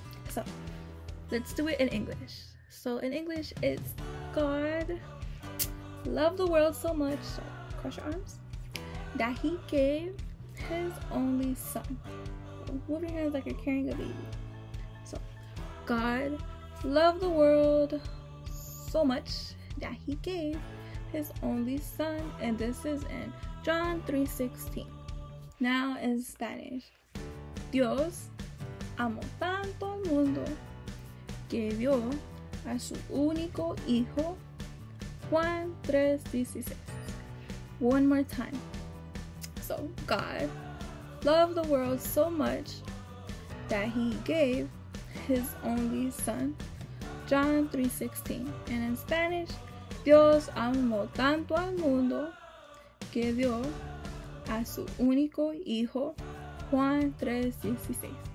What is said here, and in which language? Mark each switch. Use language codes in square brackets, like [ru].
[en] So, let's do it in English. So, in English, it's God loved the world so much, so cross your arms, that he gave his only son. Move your hands like you're carrying a baby. So, God loved the world so much that he gave his only son. And this is in John 3:16. Now, in Spanish, [es] Dios amó tanto el mundo que dio a su único hijo, Juan 3:16. [en] One more time. So, God loved the world so much that he gave his only son, John 3:16. And in Spanish, [es] Dios amó tanto al mundo que dio a su único hijo, Juan 3:16.